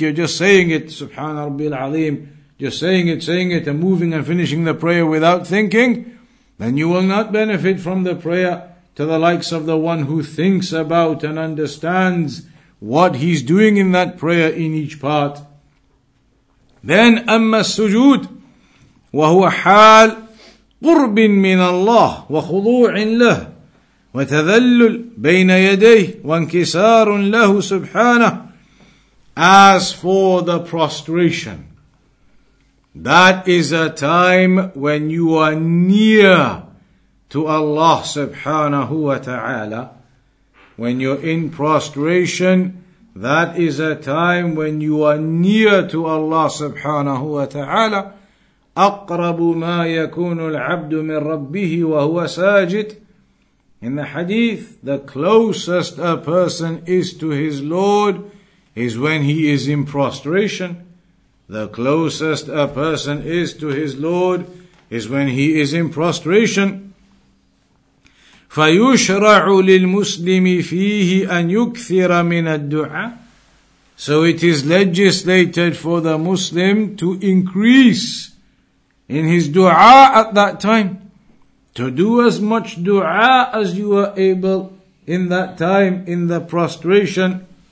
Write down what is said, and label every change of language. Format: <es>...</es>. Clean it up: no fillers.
<en>You're just saying it,</en> <ar>Subhana Rabbil Azim.</ar> <en>Just saying it, and moving and finishing the prayer without thinking. Then you will not benefit from the prayer to the likes of the one who thinks about and understands what he's doing in that prayer in each part. Then,</en> <ar>أَمَّا السُّجُودِ وَهُوَ حَالٌ قرب من الله وخضوع له وتذلل بين يديه وانكسار له سبحانه.</ar> <en>As for the prostration, that is a time when you are near to Allah subhanahu wa ta'ala. When you're in prostration, that is a time when you are near to Allah subhanahu wa ta'ala.</en> <ar>أقرب ما يكون العبد من ربه وهو ساجد.</ar> <en>In the hadith, the closest a person is to his Lord is when he is in prostration. The closest a person is to his Lord is when he is in prostration.</en> <ar>فيشرع للمسلم فيه أن يكثر من الدعاء.</ar> <en>So it is legislated for the Muslim to increase in his dua at that time, to do as much dua as you are able in that time, in the prostration.</en>